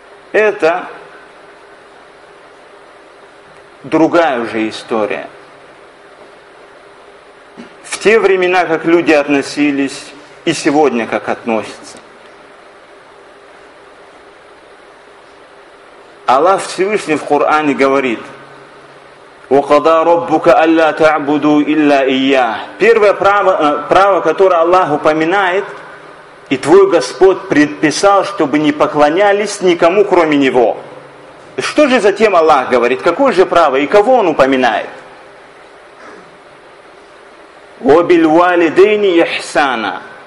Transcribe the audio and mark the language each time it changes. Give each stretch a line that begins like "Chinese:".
Russian: Это другая уже история. В те времена, как люди относились, и сегодня как относятся. Аллах Всевышний в Коране говорит,
Arabic: وَقَضَى رَبُّكَ أَلَّا تَعْبُدُوا إِلَّا إِيَّا.
Russian: Первое право, которое Аллах упоминает, и твой Господь предписал, чтобы не поклонялись никому, кроме Него. Что же затем Аллах говорит? Какое же право? И кого Он упоминает?
Arabic: وَبِالْوَالِدَيْنِ إِحْسَانًا.